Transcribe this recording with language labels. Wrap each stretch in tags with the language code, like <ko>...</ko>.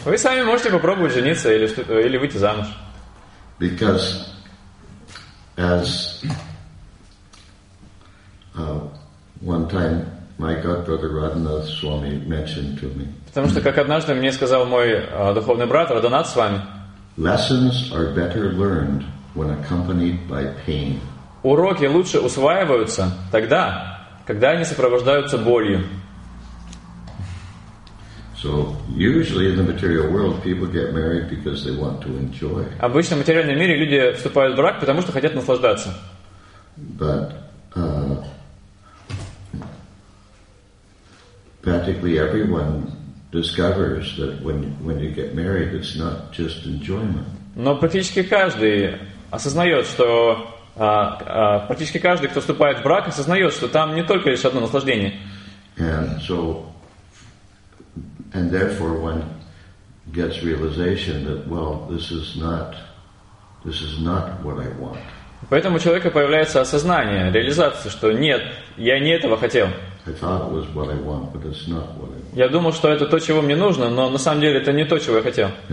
<ru>Вы сами можете попробовать жениться или выйти замуж.</ru> <en>Because as one time my godbrother Radhanath Swami mentioned to me.</en> <ru>Потому что как однажды мне сказал мой духовный брат Радханат Свами.</ru> <en>Lessons are better learned when accompanied by pain.</en> <ru>Уроки лучше усваиваются тогда, когда они сопровождаются болью.</ru> <en>So usually in the material world people get married because they want to enjoy.</en> <ru>Обычно в материальном мире люди вступают в брак, потому что хотят наслаждаться.</ru> <en>But practically everyone discovers that when you get married, it's not just enjoyment.</en> <ru>Но практически каждый осознает, что практически каждый, кто вступает в брак, осознает, что там не только лишь одно наслаждение.</ru> <en>And so, and therefore one gets realization that, well, this is not what I want.</en> <ru>Поэтому у человека появляется осознание, реализация, что нет, я не этого хотел. Я думал, что это то, чего мне нужно, но на самом деле это не то, чего я хотел.</ru>